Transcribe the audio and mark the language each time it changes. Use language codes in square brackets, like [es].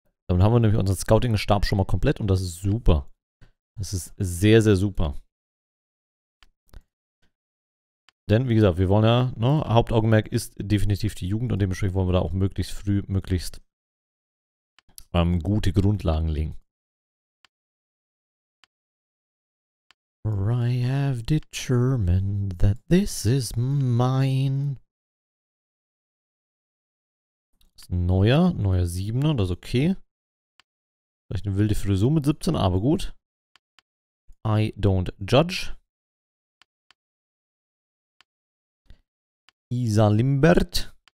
[de] Dann haben wir nämlich unseren Scouting-Stab schon mal komplett und das ist super. Das ist sehr, sehr super. Denn, wie gesagt, wir wollen ja, ne, Hauptaugenmerk ist definitiv die Jugend und dementsprechend wollen wir da auch möglichst früh, möglichst gute Grundlagen legen. [en] For I have determined that this is mine. [de] Das ist ein neuer 7er, das ist okay. Vielleicht eine wilde Frisur mit 17, aber gut. [en] I don't judge. [de] Isa Limbert.